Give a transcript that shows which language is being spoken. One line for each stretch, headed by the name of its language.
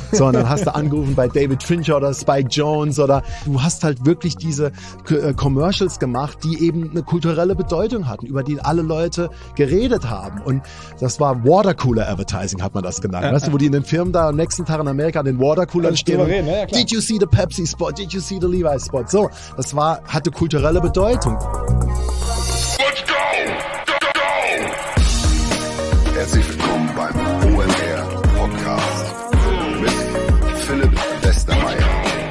German: So, und dann hast du angerufen bei David Fincher oder Spike Jones oder du hast halt wirklich diese Commercials gemacht, die eben eine kulturelle Bedeutung hatten, über die alle Leute geredet haben. Und das war Watercooler Advertising, hat man das genannt. Weißt du, wo die in den Firmen da am nächsten Tag in Amerika an den Watercoolern stehen? Und, reden, ja, klar.
English: Did you see the Pepsi Spot? Did you see the Levi's Spot?
German: So, das war, hatte kulturelle Bedeutung. Herzlich willkommen beim OMR Podcast mit Philipp Westermeier.